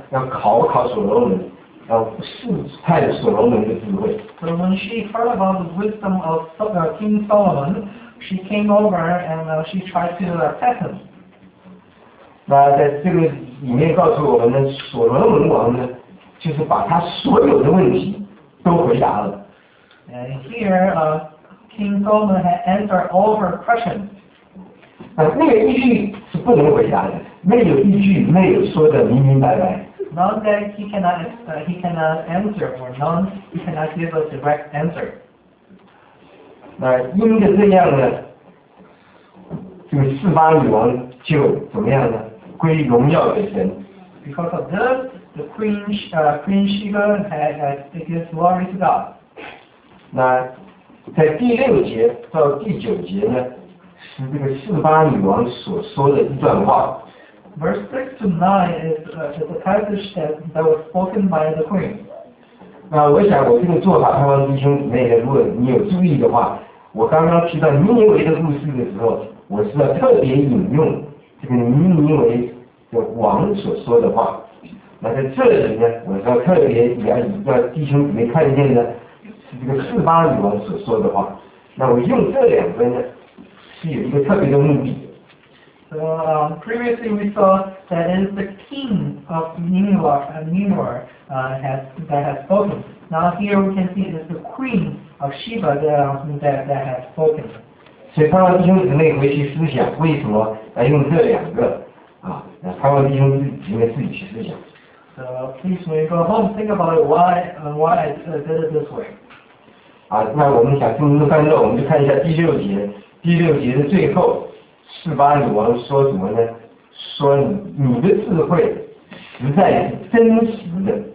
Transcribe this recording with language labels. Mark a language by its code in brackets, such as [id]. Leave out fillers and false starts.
[zh] 要考考所罗门，要试探所罗门的智慧。 [en] So when she heard about the wisdom of King Solomon, she came over and she tried to attack him. [zh] 那在这个里面告诉我们呢，所罗门王呢，就是把他所有的问题都回答了。 [en] And here, King Solomon had answered all her questions. [zh] 没有一句是不能回答的，没有一句没有说的明明白白。 [en] None that he cannot answer, or none he cannot give a direct answer. [zh] 那因着这样呢，这个示巴女王就怎么样呢？归荣耀给神。 [en] Because of this, the queen Sheba had given glory to God. [zh] 那在第六节到第九节呢？是这个示巴女王所说的一段话。 [en] Verse 6 to 9 is a passage that was spoken by the queen. [zh] 那我想我这个做法，盼望弟兄姊妹，如果你有注意的话，我刚刚提到尼尼微的故事的时候，我是要特别引用这个尼尼微的王所说的话。那在这里呢，我是要特别要弟兄姊妹看见的，是这个示巴女王所说的话。那我用这两个呢？ [en] So previously we saw that it is the king of Nimrod that has spoken. Now here we can see it is the queen of Sheba that has spoken. [zh] 所以盼望弟兄姊妹回去思想为什么来用这两个啊？盼望弟兄姊妹自己去思想。 [en] So please when you go home, think about it, why I did it this way. [zh] 那我们想进入段落，我们就看一下第六节。第六节的最后，示巴女王说什么呢？说 你的智慧实在是真实的。